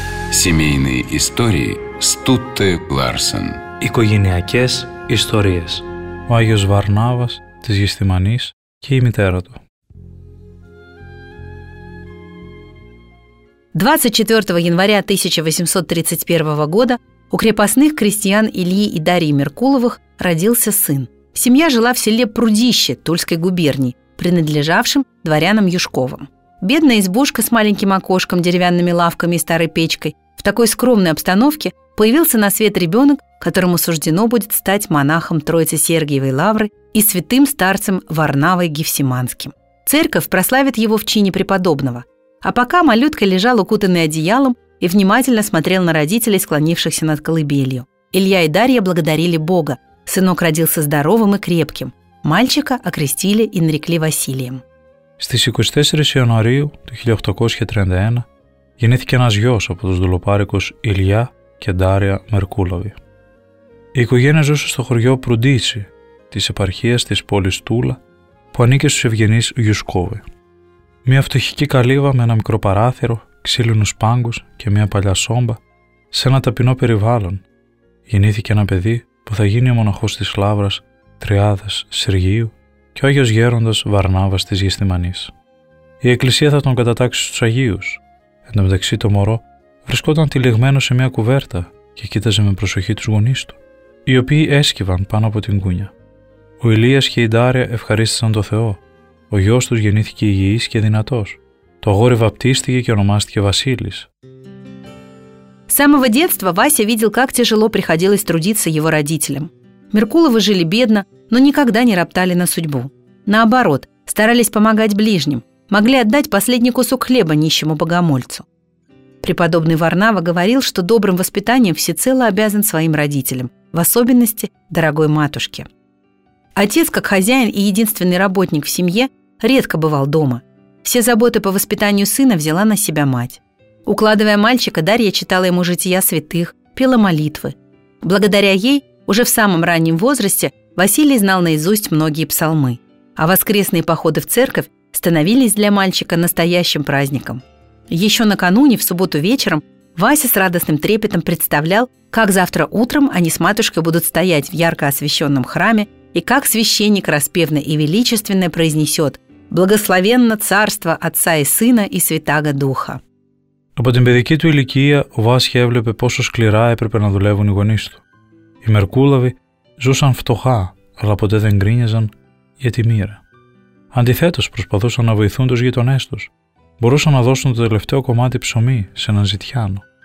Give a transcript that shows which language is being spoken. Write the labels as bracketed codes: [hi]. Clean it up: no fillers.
[ru] Семейные истории Стутте Ларсен. [el] Οικογενειακές ιστορίες. Ο Άγιος Βαρνάβας της Γεσθημανής και η μητέρα του. [ru] 24 января 1831 года у крепостных крестьян Ильи и Дарьи Меркуловых родился сын. Семья жила в селе Прудище Тульской губернии, принадлежавшем дворянам Юшковым. Бедная избушка с маленьким окошком, деревянными лавками и старой печкой. В такой скромной обстановке появился на свет ребенок, которому суждено будет стать монахом Троицы Сергиевой Лавры и святым старцем Варнавой Гефсиманским. Церковь прославит его в чине преподобного. А пока малютка лежал укутанный одеялом и внимательно смотрел на родителей, склонившихся над колыбелью. Илья и Дарья благодарили Бога. Сынок родился здоровым и крепким. Мальчика окрестили и нарекли Василием. [el] Στις 24 Ιανουαρίου του 1831 γεννήθηκε ένας γιος από τους δουλοπάρικους Ηλιά και Ντάρια Μερκούλοβοι. Η οικογένεια ζούσε στο χωριό Προυντίση της επαρχίας της πόλης Τούλα που ανήκε στους ευγενείς Γιουσκόβοι. Μια φτωχική καλύβα με ένα μικρό παράθυρο, ξύλινους πάγκους και μια παλιά σόμπα σε ένα ταπεινό περιβάλλον γεννήθηκε ένα παιδί που θα γίνει ο μοναχός της Λαύρας Τριάδας Σεργίου και ο Άγιος Γέροντας Βαρνάβας της Γεσθημανής. Η Εκκλησία θα τον κατατάξει στους Αγίους. Εν τω μεταξύ το μωρό βρισκόταν τυλιγμένο σε μια κουβέρτα και κοίταζε με προσοχή τους γονείς του, οι οποίοι έσκυβαν πάνω από την κούνια. Ο Ηλίας και η Ντάρια ευχαρίστησαν τον Θεό. Ο γιος τους γεννήθηκε υγιής και δυνατός. Το αγόρι βαπτίστηκε και ονομάστηκε Βασίλης. [ru] С самого детства Вася видел, как тяжело приходилось трудиться его родителям. Меркуловы жили бедно, но никогда не роптали на судьбу. Наоборот, старались помогать ближним, могли отдать последний кусок хлеба нищему богомольцу. Преподобный Варнава говорил, что добрым воспитанием всецело обязан своим родителям, в особенности дорогой матушке. Отец, как хозяин и единственный работник в семье, редко бывал дома. Все заботы по воспитанию сына взяла на себя мать. Укладывая мальчика, Дарья читала ему жития святых, пела молитвы. Благодаря ей, уже в самом раннем возрасте, Василий знал наизусть многие псалмы. А воскресные походы в церковь становились для мальчика настоящим праздником. Еще накануне, в субботу вечером, Вася с радостным трепетом представлял, как завтра утром они с матушкой будут стоять в ярко освещенном храме и как священник распевно и величественно произнесет «Благословенно царство Отца и Сына и Святаго Духа». [el] Από την παιδική του ηλικία, ο Βάσια έβλεπε πόσο σκληρά έπρεπε να δουλεύουν οι γονείς του. Οι Μερκούλαβοι ζούσαν φτωχά, αλλά ποτέ δεν γκρίνιαζαν για τη μοίρα. Αντιθέτως, προσπαθούσαν να βοηθούν τους γειτονές τους. Μπορούσαν να δώσουν το τελευταίο κομμάτι ψωμί σε έναν ζητιάνο.